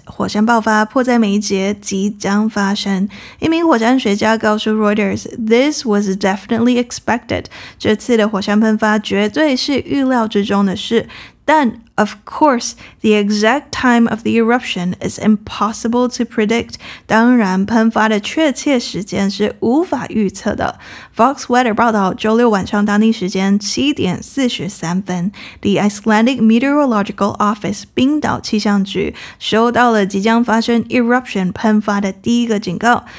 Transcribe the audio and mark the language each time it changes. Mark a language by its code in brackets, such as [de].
[zh] 火山爆发迫在眉睫，即将发生。一名火山学家告诉 [en] Reuters, This was definitely expected. [zh] 这次的火山喷发绝对是预料之中的事。 [en] 但 of course, the exact time of the eruption is impossible to predict. [zh] 当然喷发的确切时间是无法预测的。 Fox Weather 报道周六晚上当地时间7:43, The Icelandic Meteorological Office, 冰岛气象局收到了即将发生 eruption 喷发的第一个警告。